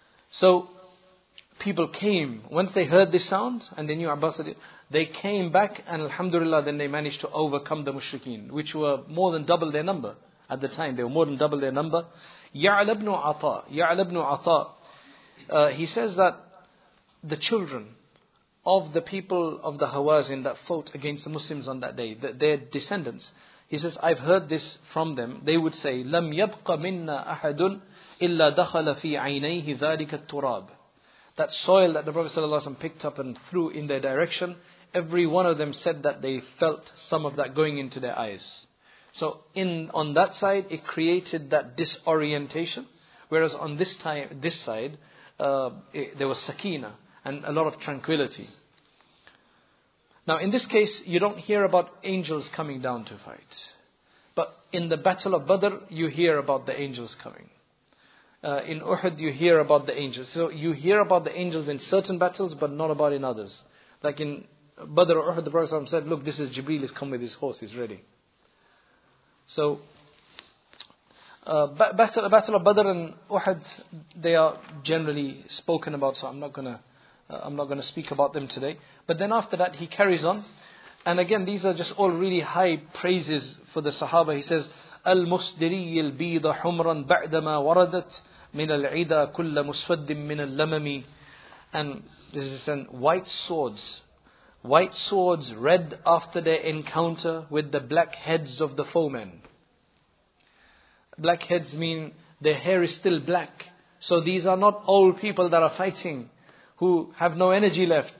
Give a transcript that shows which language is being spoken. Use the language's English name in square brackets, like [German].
[English] So people came. Once they heard this sound and they knew Abbas, they came back and alhamdulillah then they managed to overcome the mushrikeen, which were more than double their number at the time. They were more than double their number. Ya'al ibn Ata, he says that the children of the people of the Hawazin that fought against the Muslims on that day, their descendants. He says, I've heard this from them. They would say, [Arabic] لَمْ يَبْقَ مِنَّا أَحَدٌ إِلَّا دَخَلَ فِي عَيْنَيْهِ ذَلِكَ التُّرَابِ. [English] That soil that the Prophet ﷺ picked up and threw in their direction, every one of them said that they felt some of that going into their eyes. So on that side, it created that disorientation. Whereas on this side, there was sakina and a lot of tranquility. Now in this case, you don't hear about angels coming down to fight. But in the Battle of Badr, you hear about the angels coming. In Uhud, you hear about the angels. So you hear about the angels in certain battles, but not about in others. Like in Badr or Uhud, the Prophet said, look, this is Jibreel, he's come with his horse, he's ready. So, battle of Badr and Uhud, they are generally spoken about, so I'm not going to speak about them today. But then after that, he carries on. And again, these are just all really high praises for the Sahaba. He says, [Arabic] المصدري البيض حمرا بعدما وردت من العدا كل مسود من اللمم. [English] And this is saying, white swords red after their encounter with the black heads of the foemen. Black heads mean their hair is still black. So these are not old people that are fighting who have no energy left.